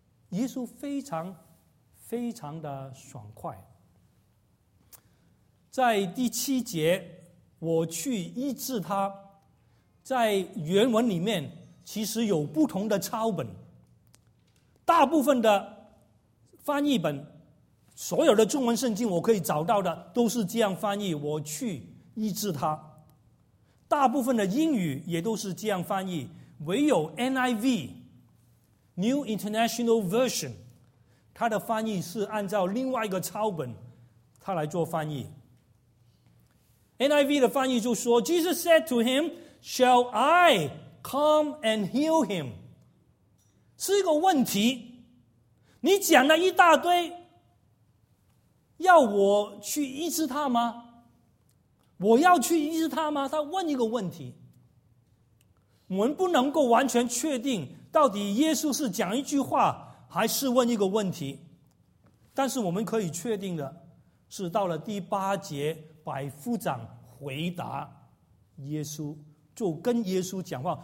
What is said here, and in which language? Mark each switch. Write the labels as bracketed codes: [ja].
[zh] 耶稣非常非常的爽快，在第七节，我去医治他，在原文里面其实有不同的抄本，大部分的翻译本，所有的中文圣经我可以找到的都是这样翻译，我去医治他。大部分的英语也都是这样翻译，唯有 NIV New International Version 它的翻译是按照另外一个抄本它来做翻译。 [en] NIV [zh] 的翻译就说， [en] Jesus said to him, Shall I come and heal him? [zh] 是一个问题，你讲了一大堆要我去医治他吗？我要去医治他吗？他问一个问题。我们不能够完全确定到底耶稣是讲一句话还是问一个问题，但是我们可以确定的是到了第八节，百夫长回答耶稣，就跟耶稣讲话。